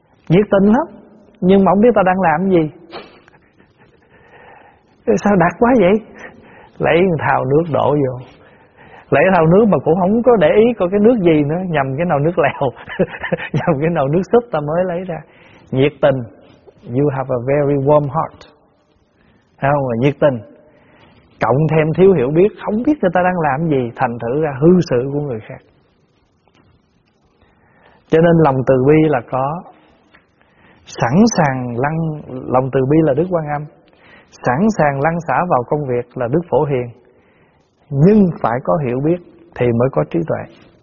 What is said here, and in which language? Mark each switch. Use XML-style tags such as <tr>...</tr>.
<vi>Nhiệt tình lắm, nhưng mà không biết ta đang làm gì. Sao đặc quá vậy? Lấy thau nước đổ vô. Lấy thau nước mà cũng không có để ý coi cái nước gì nữa, nhầm cái nồi nước lèo. Nhầm cái nồi nước súp ta mới lấy ra. Nhiệt tình.</vi> <en>You have a very warm heart.</en> <vi>Thấy không? Nhiệt tình. Cộng thêm thiếu hiểu biết, không biết người ta đang làm gì, thành thử ra hư sự của người khác. Cho nên lòng từ bi là có. Sẵn sàng lăn, lòng từ bi là Đức Quan Âm. Sẵn sàng lăn xả vào công việc là Đức Phổ Hiền. Nhưng phải có hiểu biết thì mới có trí tuệ.</vi>